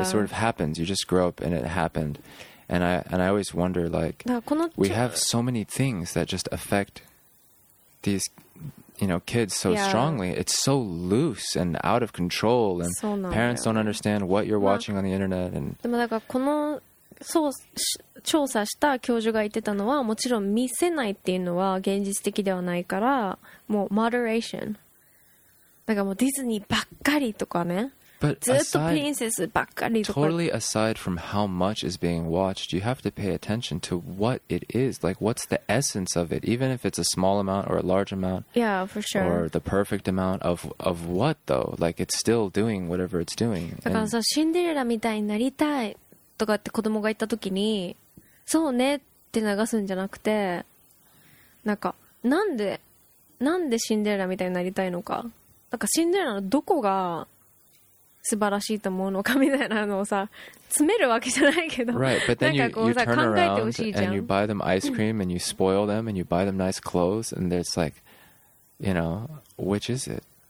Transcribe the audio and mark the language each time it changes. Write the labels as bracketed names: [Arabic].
[English] It sort of happens. You just grow up and it happened. And I always wonder, like, we have so many things that just affect these... You know, kids so strongly. It's so loose and out of control, and parents don't understand what you're watching on the internet. And [Japanese] でもだからこの調査した教授が言ってたのは、もちろん見せないっていうのは現実的ではないから、もう moderation。だからもうディズニーばっかりとかね、ずっとプリンセスばっかりとか。 [English] Totally aside from how much is being watched, you have to pay attention to what it is. Like, what's the essence of it? Even if it's a small amount or a large amount. Yeah, for sure. Or the perfect amount of what, though? Like, it's still doing whatever it's doing. [Japanese] だからさ、シンデレラみたいになりたいとかって子供が言った時に、そうねって流すんじゃなくて、なんか、なんでシンデレラみたいになりたいのか。なんかシンデレラのどこが、素晴らしいと思うのかみたいなのをさ、詰めるわけじゃないけど、 [English] right, but then [Japanese] なんかこうさ、考えてほしいじゃん。 [English] And you buy them ice cream and you spoil them and you buy them nice clothes and it's like, you know, which is it?